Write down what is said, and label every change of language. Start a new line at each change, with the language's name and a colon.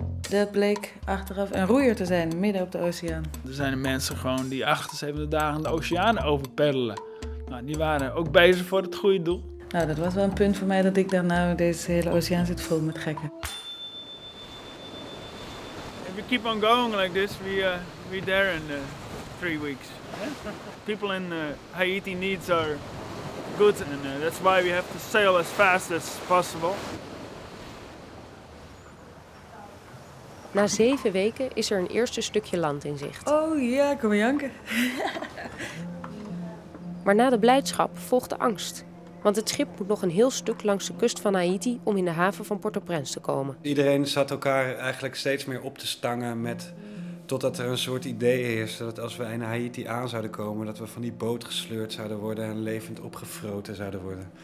Dutch: dat bleek achteraf een roeier te zijn midden op de oceaan. Er zijn mensen gewoon die 78 dagen de oceaan overpeddelen. Nou, die waren ook bezig voor het goede doel. Nou, dat was wel een punt voor mij dat ik dan nou deze hele oceaan zit vol met gekken.
English: If you keep on going like this, we're there in 3 weeks. People in Haiti needs our goods and that's why we have to sail as fast as possible.
Dutch: Na 7 weken is er een eerste stukje land in zicht. Oh ja, kom maar janken. Maar na de blijdschap volgt de angst. Want het schip moet nog een heel stuk langs de kust van Haiti om in de haven van Port-au-Prince te komen. Iedereen zat elkaar eigenlijk steeds meer op te stangen met totdat er een soort idee is dat als we in Haiti aan zouden komen, dat we van die boot gesleurd zouden worden en levend opgefroten zouden worden.